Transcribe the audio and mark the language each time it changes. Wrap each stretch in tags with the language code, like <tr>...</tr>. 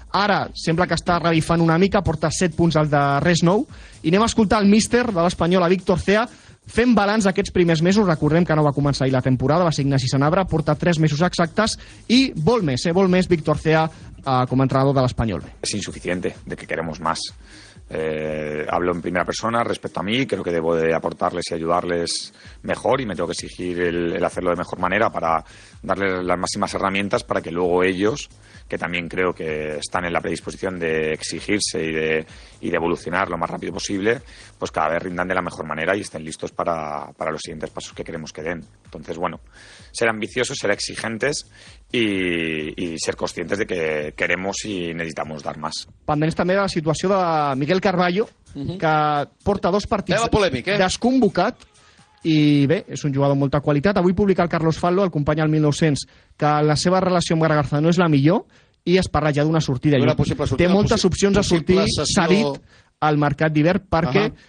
<ca>Ara sembla que està revifant una mica, porta 7 punts al darrer nou. I anem a escoltar el míster de l'Espanyol, Víctor Cea, fent balanç aquests primers mesos. Recordem que no va començar ahir la temporada, va ser Ignasi Sanabra, porta 3 mesos exactes i vol més Víctor Cea com a entrenador de l'Espanyol.</ca> <es>És insuficiente, de que queremos más. Hablo en primera persona respecto a mí, creo que debo de aportarles y ayudarles mejor y me tengo que exigir el hacerlo de mejor manera para darles las máximas herramientas para que luego ellos, que también creo que están en la predisposición de exigirse y de evolucionar lo más rápido posible, pues cada vez rindan de la mejor manera y estén listos para los siguientes pasos que queremos que den. Entonces, bueno, ser ambiciosos, ser exigentes y ser conscientes de que queremos y necesitamos dar más.</es> <ca>Pendents també de la situació de Miquel Carballo, que porta dos partits desconvocat, i bé, és un jugador amb molta qualitat. Avui publica el Carlos Fallo, el company al 1900, que la seva relació amb Garagarza no és la millor i es parla ja d'una sortida. Sortida té moltes opcions a sortir, sessió... s'ha dit, al mercat d'hivern, perquè...</ca>